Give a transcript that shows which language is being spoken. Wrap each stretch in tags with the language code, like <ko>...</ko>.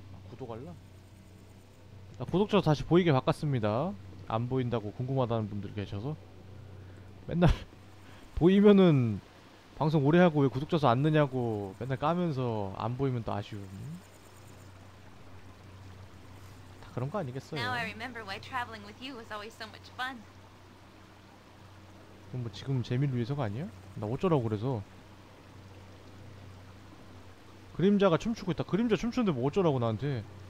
<ko>구독할라? 구독자도 다시 보이게 바꿨습니다. 안 보인다고 궁금하다는 분들이 계셔서. 맨날, 보이면은, 방송 오래 하고 왜 구독자 수안 느냐고 맨날 까면서 안 보이면 또 아쉬움. 다 그런 거</ko> <en>Now I remember why traveling with you was always so much fun.</en> <ko>아니겠어요? 그럼 뭐 지금 재미를 위해서가 아니야? 나 어쩌라고 그래서. 그림자가 춤추고 있다. 그림자 춤추는데 뭐 어쩌라고 나한테.</ko>